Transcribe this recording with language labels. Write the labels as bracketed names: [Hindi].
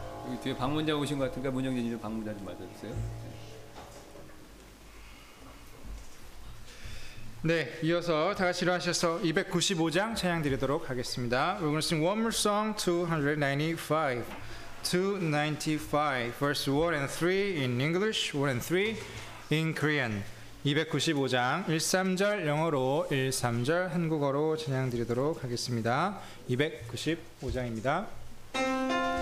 [Korean] 여기 방문자 오신 것 같은가? 문영진 님 방문자 좀 맞으세요? 네, 이어서 다 같이 일어나셔서 295장 찬양 드리도록 하겠습니다. [English] We're going to sing one more song, 295, verse 1 and 3 in English, 1 and 3 in Korean. [Korean] 295장 1, 3절 영어로, 1, 3절 한국어로 찬양 드리도록 하겠습니다. 295장입니다.